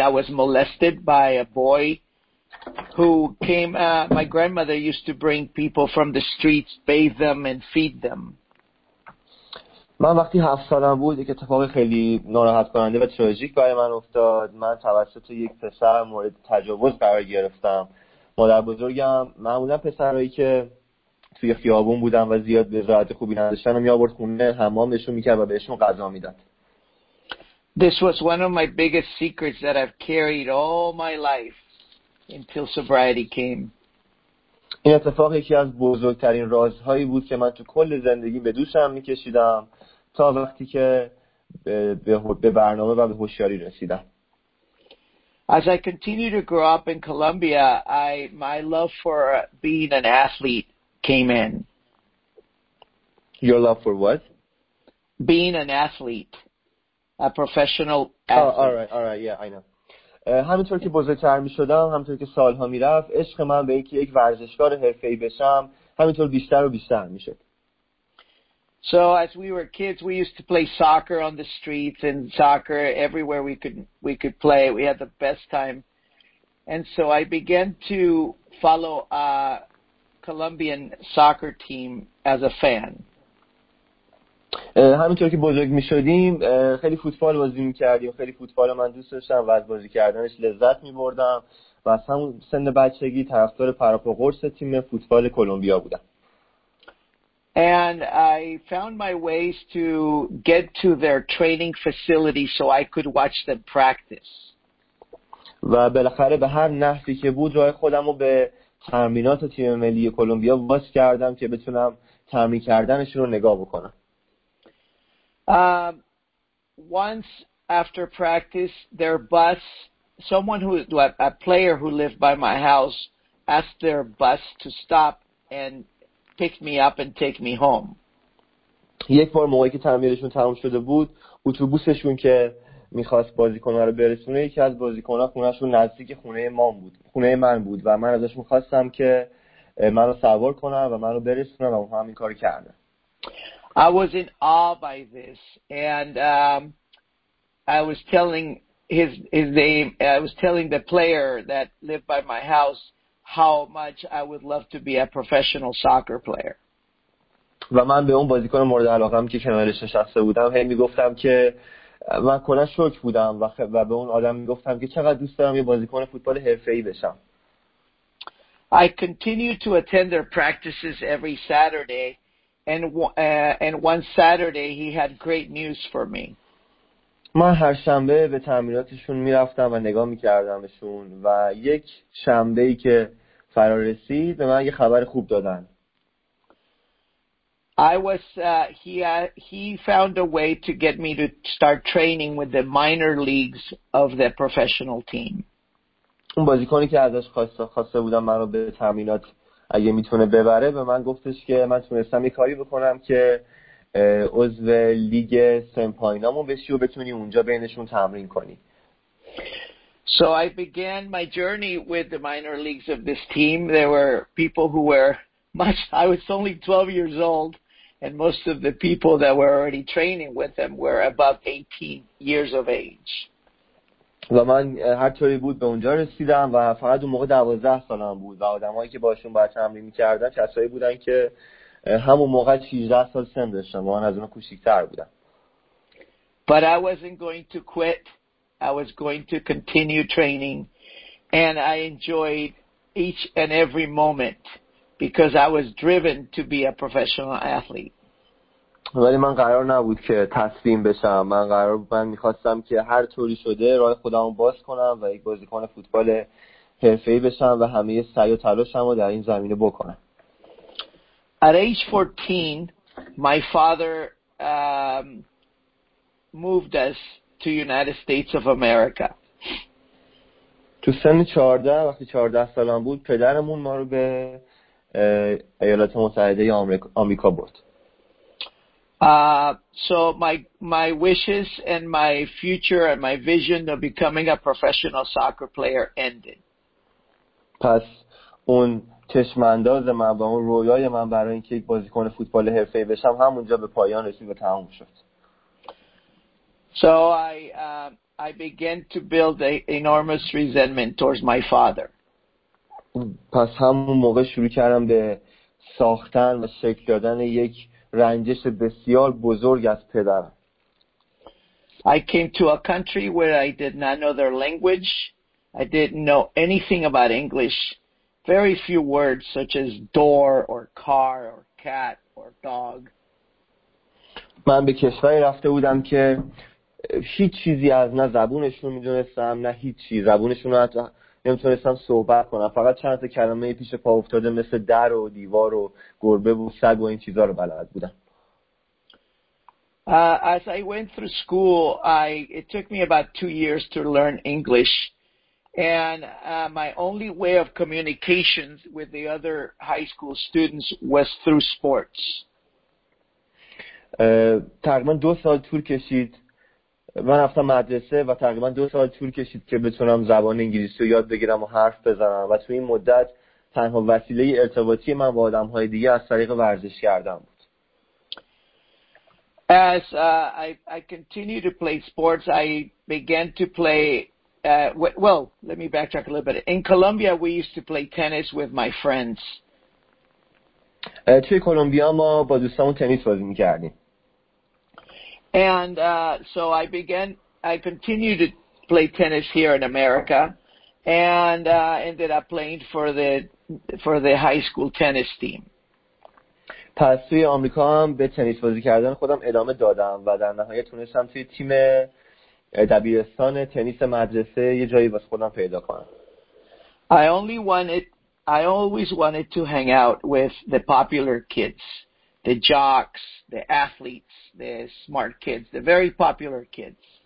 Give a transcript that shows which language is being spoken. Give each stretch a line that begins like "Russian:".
English: I was molested by a boy who came. My grandmother used to bring people from the streets, bathe them and feed them.
Persian: من وقتی 7 سالم بود یک اتفاق خیلی ناراحت کننده و تراژیک برای من افتاد. من توسط یک پسر مورد تجاوز قرار گرفتم. مادر بزرگم معمولا پسرهایی که توی خیابون بودن و زیاد به راحت خوبی نداشتن می آورد خونه، حمامشون میکرد و بهشون غذا میداد.
English: This was one of my biggest secrets that I've carried all my life until sobriety came.
Persian: این اتفاق یکی از بزرگترین رازهایی بود که من تو کل زندگی به دوشم میکشیدم تا وقتی که به برنامه و به هوشیاری رسیدم.
English: As I continued to grow up in Colombia, my love for being an athlete came in. Your love for what? Being an athlete. A professional athlete. Oh, all right, yeah, I know.
Persian: همینطور که بزرگتر می شدم، همینطور که سالها می رفت، عشق من به اینکه یک ورزشکار حرفه‌ای بشم همینطور بیشتر و بیشتر می شد.
English: So as we were kids, we used to play soccer on the streets and soccer everywhere we could play. We had the best time. And so I began to follow a Colombian soccer team as a fan.
Persian: همینطور که بزرگ می شدیم خیلی فوتبال بازی می کردیم، خیلی فوتبال من دوست داشتم و از بازی کردنش لذت می بردم و از همون سن بچگی طرفدار پراپا قرص تیم فوتبال کولومبیا بودم.
English: And I found my ways to get to their training facility so I could watch them practice.
Persian: و بالاخره به هر نحوی که بود راه خودم رو به تمرینات تیم ملی کولومبیا باز کردم که بتونم تمرین کردنشون رو نگاه بکنم.
English: Once after practice, their bus, someone who, a player who lived by my house, asked their bus to stop and pick me up and take me home.
Persian: یک بار موقعی که تعمیرشون تمام شده بود، اتوبوسشون که می‌خواست بازیکن‌ها رو برسونه، یکی از بازیکن‌ها خونه‌شون نزدیک خونه من بود. خونه من بود و من ازش می‌خواستم که منو سوار کنه و منو برسونه و اونم این کارو کرد.
English: I was in awe by this and I was telling his name, I was telling the player that lived by my house how much I would love to be a professional soccer player.
Persian: و من به اون بازیکن مورد علاقه‌ام که کنارش نشسته بودم هی میگفتم که من کلا شوک بودم و به اون آدم میگفتم که چقدر دوست دارم یه بازیکن فوتبال حرفه‌ای بشم.
English: I continued to attend their practices every Saturday and one Saturday he had great news for me.
Persian: من هر شنبه به تمریناتشون میرفتم و نگاه میکردمشون و یک شنبه‌ای که فرا رسید به من یه خبر خوب دادن.
English: I was he found a way to get me to start training with the minor leagues of the professional team.
Persian: اون بازیکنی که ازش خواسته بودم منو به تمرینات اگه میتونه ببره به من گفتش که من تونستم یه کاری بکنم که عضو لیگ سن پایینامون بشی و بتونی اونجا بینشون تمرین کنی.
English: So I began my journey with the minor leagues of this team. There were people who were much I was only 12 years old and most of the people that were already training with them were above 18 years of age.
Persian: و من هر طوری بود به اونجا رسیدم و فقط اون موقع 12 سالم بود و آدمایی که باشون با تمرین می‌کردن کسایی بودن که همون موقع 18 سال سن داشتن و من از اونها کوچیک‌تر بودم.
English: But I wasn't going to quit. I was going to continue training and I enjoyed each and every moment. Because I was driven to be a professional athlete.
Persian: ولی من قرار نبود که تسلیم بشم. من می‌خواستم که هر طوری شده راه خودم رو باز کنم و یک بازیکن فوتبال حرفه‌ای بشم و همه سعی و تلاشم رو در این زمینه بکنم.
English: At age 14, my father moved us to United States of America.
Persian: تو سن 14، وقتی 14 سالم بود، پدرمون ما رو به ایالات متحده آمریکا برد.
English: So my wishes and my future and my vision of becoming a professional soccer player ended.
Persian: پس اون چشم‌انداز من و اون رویای من برای اینکه یک بازیکن فوتبال حرفه‌ای بشم همونجا به پایان رسید و تموم شد.
English: So I began to build an enormous resentment towards my father.
Persian: پس همون موقع شروع کردم به ساختن و شکل دادن یک رنجش بسیار بزرگ از پدرم.
English: I came to a country where I did not know their language. I didn't know anything about English. Very few words such as door or car or cat or dog.
Persian: من به کشوری رفته بودم که هیچ چیزی از نه زبونشون میدونستم نه هیچی زبونشون رو حتی نمیتونستم صحبت کنم فقط چند تا کلمه پیش پا افتاده مثل در و دیوار و گربه و سگ و این چیزا رو بلد بودم.
English: As I went through school, it took me about 2 years to learn English and my only way of communication with the other high school students was through sports.
Persian: تقریبا 2 سال طول کشید من رفتم مدرسه و تقریبا 2 سال طول کشید که بتونم زبان انگلیسی رو یاد بگیرم و حرف بزنم و تو این مدت تنها وسیله ارتباطی من با آدم‌های دیگه از طریق ورزش کردن بود.
English: As I continue to play sports, I began to play well, let me backtrack a little bit. In Colombia we used to play tennis with my friends.
Persian: توی کولومبیا ما با دوستامون تنیس بازی می‌کردیم.
English: And so I continued to play tennis here in America and ended up playing for the high school tennis team.
Persian: پس توی آمریکا هم به تنیس بازی کردن خودم ادامه دادم و در نهایت تونستم توی تیم دبیرستان تنیس مدرسه یه جایی واسه خودم پیدا کنم.
English: I always wanted to hang out with the popular kids. The jocks, the athletes, the smart kids, the very popular kids.